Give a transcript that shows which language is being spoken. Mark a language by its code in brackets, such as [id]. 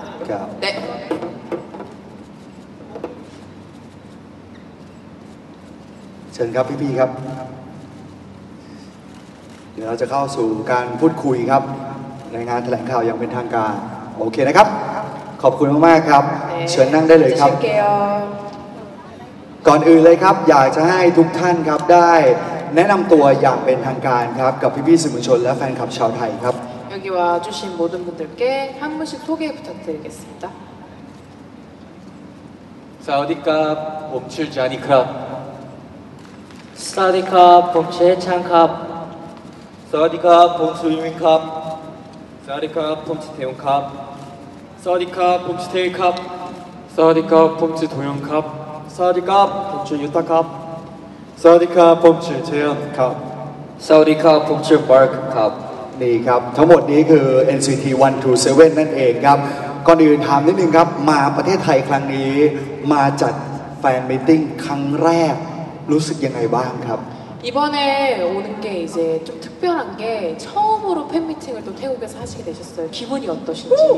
[th] ครับ네เชิญครับพี่ๆครับเดี๋ยวเราจะเข้าสู่การพูดคุยครับในงานแถลงข่าวอย่างเป็นทางการโอเคนะครับขอบคุณมากๆครับเชิญนั่งได้เลยครับก่อนอื่นเลยครับอยากจะให้ทุกท่านครับได้แนะนำตัวอย่างเป็นทางการครับกับพี่ๆสื่อมวลชนและแฟนคลับชาวไทยครับ [ko] 여기와주신 모든 분들께 한 분씩 소개 부탁드리겠습니다 [th] สวัสดีครับผมชื่อจานิครับ สวัสดีครับผมชื่อชางครับ สวัสดีครับผมสุยมินครับ สวัสดีครับผมชื่อเทวครับ สวัสดีครับผมชื่อเทครับ สวัสดีครับผมชื่อโทยองครับ สวัสดีครับผมชื่อยุตะครับ สวัสดีครับผมชื่อเจียนครับ สวัสดีครับผมชื่อบาร์คครับ นี่ครับทั้งหมดนี้คือ NCT 127นั่นเองครับก่อนอื่นถามนิดนึงครับมาประเทศไทยครั้งนี้มาจัดแฟนมีตติ้งครั้งแรกรู้สึกยังไงบ้างครับ [ko] 이번에오는게이제좀특별한게처음으로팬미팅을또태국에서하시게되셨어요기분이어떠신지